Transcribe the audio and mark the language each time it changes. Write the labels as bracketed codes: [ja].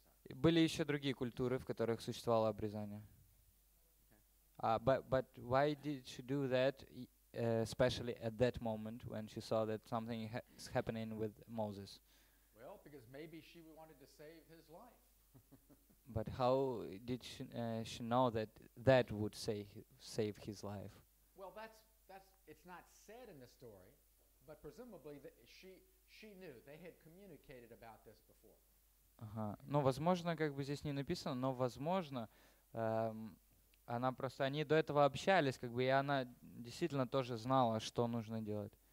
[ru] Были еще другие культуры, в которых существовало обрезание. [en] But why did she do that, especially at that moment when she saw that something is happening with Moses? Well, because maybe she wanted to save his life. But how did she know that would save his life? Well, that's it's not said in the story, but presumably she knew. They had communicated about this before. [ru] Ага. Ну, возможно, как бы здесь не написано, но возможно, она просто, они до этого общались, как бы, и она действительно тоже знала, что нужно делать.